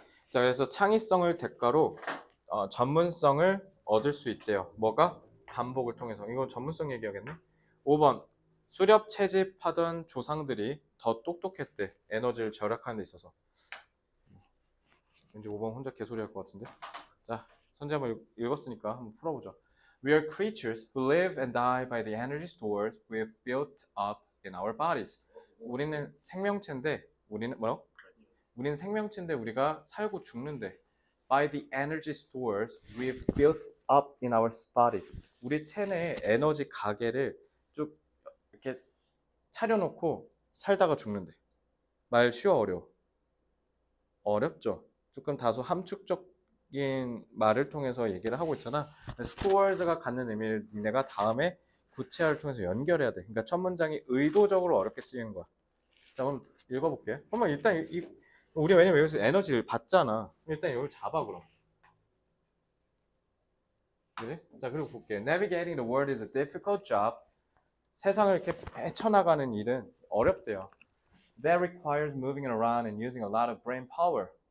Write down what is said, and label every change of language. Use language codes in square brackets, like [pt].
[ko] 자, 그래서 창의성을 대가로 전문성을 얻을 수 있대요. 뭐가? 반복을 통해서. 이건 전문성 얘기하겠네. 5번. 수렵 채집하던 조상들이 더 똑똑했대. 에너지를 절약하는 데 있어서. 이제 5번 혼자 개소리할 것 같은데. 자, 선지 한번 읽었으니까 한번 풀어보죠. [en] We are creatures who live and die by the energy stores we have built up in our bodies. [ko] 우리는 생명체인데 우리는 뭐라고? 우리는 생명체인데 우리가 살고 죽는데 [en] by the energy stores we've built up in our bodies. [ko] 우리 체내에 에너지 가게를 쭉 이렇게 차려놓고 살다가 죽는데. 말 쉬워 어려워? 어렵죠. 조금 다소 함축적인 말을 통해서 얘기를 하고 있잖아. Stores가 갖는 의미를 니네가 다음에 구체화를 통해서 연결해야 돼. 그러니까 첫 문장이 의도적으로 어렵게 쓰이는 거야. 자, 그럼 읽어볼게. 그러면 일단 이 우리 왜냐면 여기서 에너지를 받잖아. 일단 여기를 잡아 그럼. 그래? 자, 그리고 볼게. [en] Navigating the world is a difficult job. [ko] 세상을 이렇게 헤쳐나가는 일은 어렵대요. [en] That requires moving around and using a lot of brain power.